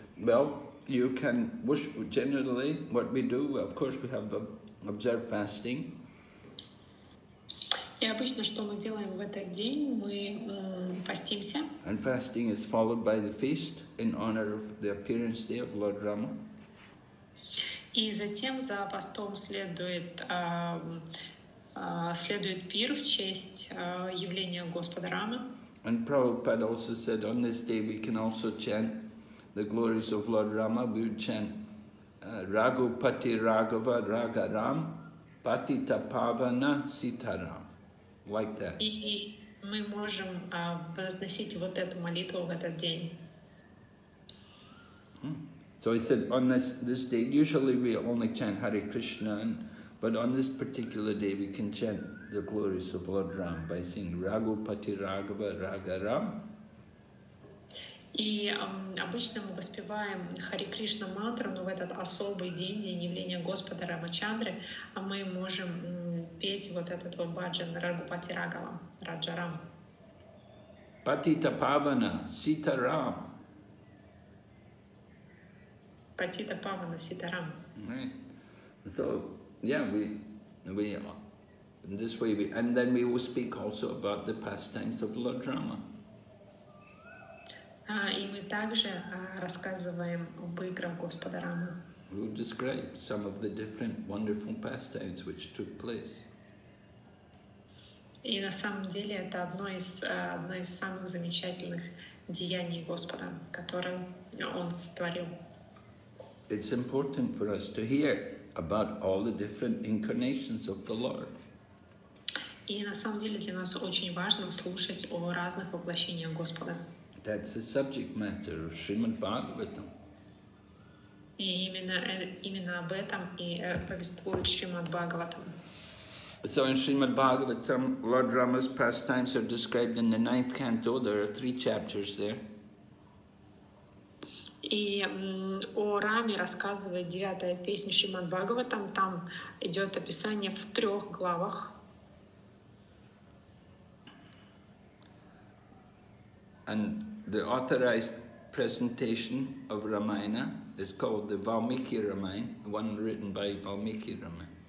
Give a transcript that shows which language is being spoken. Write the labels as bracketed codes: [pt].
[en] Well, you can wish, generally what we do, of course we have observed fasting. [ru] И обычно, что мы делаем в этот день, мы постимся. [en] And fasting is followed by the feast in honor of the appearance day of Lord Rama. [ru] И затем за постом следует пир в честь явления Господа Рамы. [en] And Prabhupada also said, on this day we can also chant the glories of Lord Rama. We would chant Raghupati Raghava Raga Ram Patita Pavana Sitaram. Like that. [ru] И мы можем возносить вот эту молитву в этот день. [en] So he said, on this day, usually we only chant Hare Krishna, but on this particular day we can chant the glories of Lord Ram by singing Raghupati Raghava Raga Ram. [ru] И обычно мы воспеваем Хари Кришна мантру, но в этот особый день, день явления Господа Рамачандры, мы можем петь вот этот баджан Рагупати Рагава, Раджарам. Патита Павана, Ситарам. Патита Павана, Ситарам. [en] So, yeah, we in this way, we, and then we will speak also about the pastimes of Lord Rama. [ru] И мы также рассказываем об играх Господа Рамы. [en] We will describe some of the different wonderful pastimes which took place. [ru] И на самом деле это одно из самых замечательных деяний Господа, которое Он сотворил. [en] It's important for us to hear about all the different incarnations of the Lord. [ru] И на самом деле для нас очень важно слушать о разных воплощениях Господа. [en] That's the subject matter of Srimad Bhagavatam. [ru] И именно об этом и повествует Шримад Бхагаватам. [en] So in Srimad Bhagavatam, Lord Rama's pastimes are described in the ninth canto. There are three chapters there. [ru] И о Раме рассказывает девятая песня Шримад Бхагаватам. Там идет описание в трех главах. [en] And the authorized presentation of Ramayana is called the Valmiki Ramayana, one written by Valmiki Ramayana.